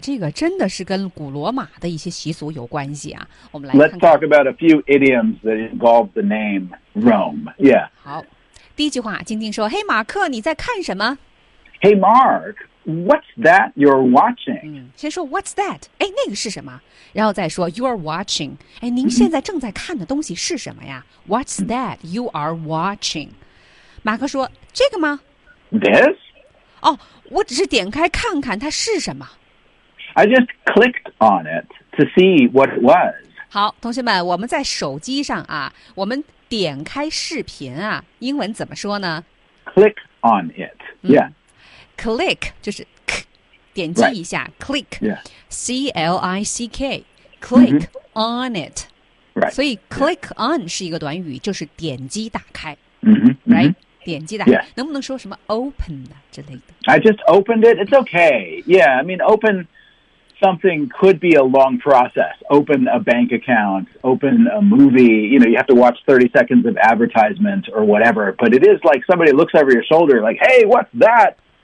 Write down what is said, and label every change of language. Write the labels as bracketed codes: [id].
[zh] 这个真的是跟古罗马的一些习俗有关系啊。我们来 [en] Let's talk about a few idioms that involve the name Rome. Yeah. [zh] 好，第一句话，晶晶说 ： [en] “Hey, Mark, [zh] 你在看什么 [en] ？”Hey, Mark. What's that you're watching?、嗯、先说 What's that? 哎，那个是什么？然后再说 You're watching. 哎，您现在正在看的东西是什么呀 ？ What's that you are watching? [zh] 马克说这个吗 [en] ？This? [zh] 哦，我只是点开看看它是什么。 [en] I just clicked on it to see what it was. [zh] 好，同学们，我们在手机上啊，我们点开视频啊，英文怎么说呢 [en] ？Click on it. Yeah.、 [zh] 嗯 Click 就是 k, 点击一下、 [en] right. click、 yes. C-L-I-C-K click、mm-hmm. on it、 right. [zh] 所以 [en] click、yes. [zh] on 是一个短语就是点击打开、 [en] mm-hmm. right? mm-hmm. [zh] 点击打开、 [en] yes. [zh] 能不能说什么 open 之类的 [en] I just opened it, it's okay Yeah, I mean open something could be a long process Open a bank account, open a movie You know, you have to watch 30 seconds of advertisement or whatever But it is like somebody looks over your shoulder like Hey, what's that?